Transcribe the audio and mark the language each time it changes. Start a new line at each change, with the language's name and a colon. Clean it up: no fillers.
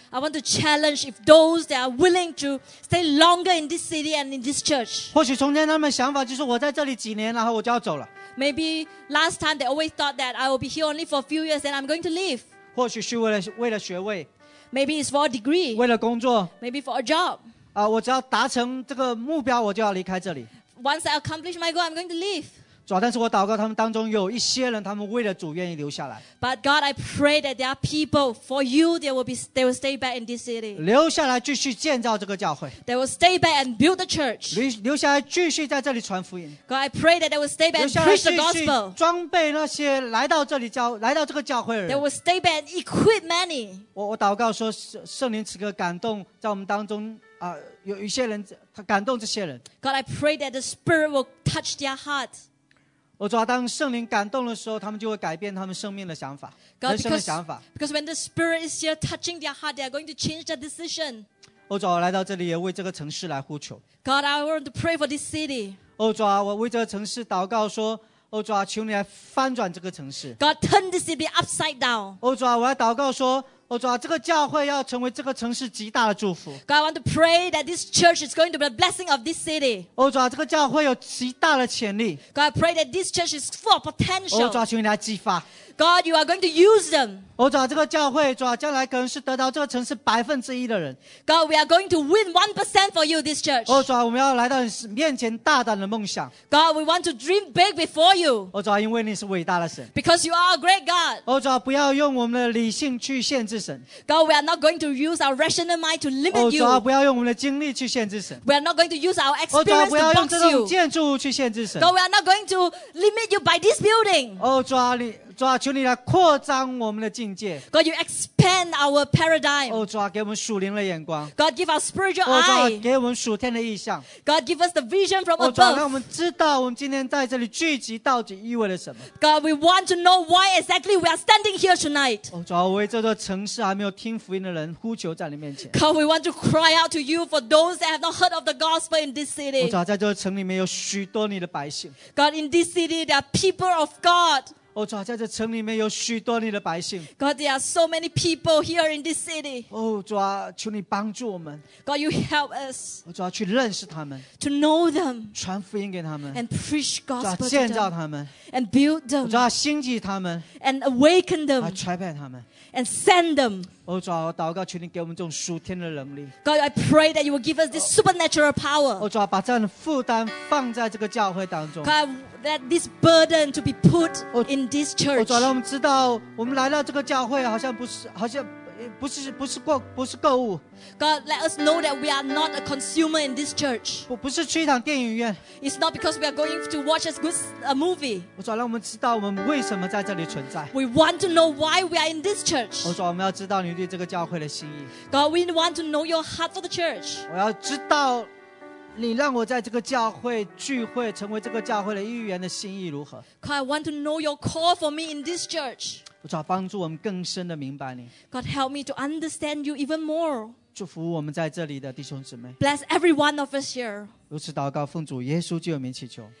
English: I want to challenge if those that are willing to stay longer in this city and in this church.
Chinese: 或许从前他们想法就是我在这里几年, 然后我就要走了。
English: Maybe last time they always thought that I will be here only for a few years and I'm going to leave.
Chinese: 或许是为了学位。
English: Maybe it's for a degree.
Chinese: 为了工作。
English: Maybe for a job.
Chinese: 我只要达成这个目标我就要离开这里。
English: Once I accomplish my goal, I'm going to leave.
Chinese: 主啊, 但是我祷告他们当中有一些人, 他们为了主愿意留下来。
English: But God, I pray that there are people for you, they will stay back in this city.
Chinese: 留下来继续建造这个教会。
English: They will stay back and build the church.
Chinese: 留下来继续在这里传福音。
English: God, I pray that they will stay back and preach the gospel.
Chinese: 装备那些来到这个教会的人。
English: They will stay back and equip many.
Chinese: 我祷告说, 圣灵此刻感动, 在我们当中, 有一些人, 感动这些人。
English: God, I pray that the Spirit will touch their heart.
Chinese: 我主啊, 当圣灵感动的时候, 他们就会改变他们生命的想法,
English: God,
Chinese: 人生的想法。
English: Because when the Spirit is here touching their heart, they are going to change their decision.
Chinese: 我主啊, 我来到这里也为这个城市来呼求。
English: God, I want to pray for this city.
Chinese: 我主啊, 我为这个城市祷告说, 我主啊, 求你来翻转这个城市。
English: God, turn this city upside down.
Chinese: 我主啊, 我要祷告说, 哦、主啊，这个教会要成为这个城市极大的祝福。
English: God, I want to pray that this church is going to be a blessing of this city.
Chinese: 哦、主啊，这个教会有极大的潜力。
English: God, I pray that this church is full of potential.
Chinese: 哦、主啊，求你来激发。
English: God, you are going to use them.
Chinese: 哦、主啊，这个教会，主啊，将来可能是得到这个城市百分之一的人。
English: God, we are going to win 1% for you, this church.
Chinese: 哦、主啊，我们要来到你面前大胆的梦想。
English: God, we want to dream big before you.
Chinese: 哦、主啊，因为你是伟大的神。
English: Because you are a great God.
Chinese: 哦、主啊，不要用我们的理性去限制神。
English: God, we are not going to use our rational mind to limit you.
Chinese: 哦、主啊，不要用我们的经历去限制神。
English: We are not going to use our experience to box you.
Chinese: 哦、主啊，不要用这种建筑物去限制神。
English: God, we are not going to limit you by this building.
Chinese: 哦、主啊，你主啊，求你来扩张我们的境界。
English: God, you expand our paradigm.
Chinese: 哦，主啊，给我们属灵的眼光。
English: God, give us spiritual eye.
Chinese: 哦，主啊，给我们属天的意象。
English: God, give us the vision from above.
Chinese: 哦，主啊，让我们知道我们今天在这里聚集到底意味着什么。
English: God, we want to know why exactly we are standing here tonight.
Chinese: 哦，主啊，为这座城市还没有听福音的人呼求在你面前。
English: God, we want to cry out to you for those that have not heard of the gospel in this city.
Chinese: 哦，主啊，在这座城里面有许多你的百姓。
English: God, in this city there are people of God.
Chinese: 哦、主啊，在这城里面有许多你的百姓。
English: God, there are so many people here in this city.
Chinese: 哦、主啊，求你帮助我们。
English: God, you help us.
Chinese: 哦、主啊，去认识他们。
English: To know them.
Chinese: 传福音给他们。
English: And preach gospel to them.
Chinese: 主啊，建造他们。
English: And build them.
Chinese: 哦、主啊，兴起他们。
English: And awaken them.
Chinese: 来差派他们。
English: And send them.
Chinese: 哦、主啊，我祷告，求你给我们这种属天的能力。
English: God, I pray that you will give us this supernatural power.
Chinese: 哦、主啊，把这样的负担放在这个教会当中。
English: God, that this burden to be put in this church.
Chinese: 哦、主啊，让我们知道，我们来到这个教会，好像不是，好像。不是购物。
English: God, let us know that we are not a consumer in this church.
Chinese: 不是去一趟电影院。
English: It's not because we are going to watch a movie.
Chinese: 我主要让我们知道我们为什么在这里存在。
English: We want to know why we are in this church.
Chinese: 我主要我们要知道你对这个教会的心意。
English: God, we want to know your heart for the church.
Chinese: 我要知道你让我在这个教会聚会，成为这个教会的一员的心意如何。
English: God, I want to know your call for me in this church.
Chinese: 主啊，帮助我们更深的明白你。
English: God, help me to understand you even more.
Chinese: 祝福我们在这里的弟兄姊妹。
English: Bless every one of us here.
Chinese: 如此祷告，奉主耶稣基督的名祈求。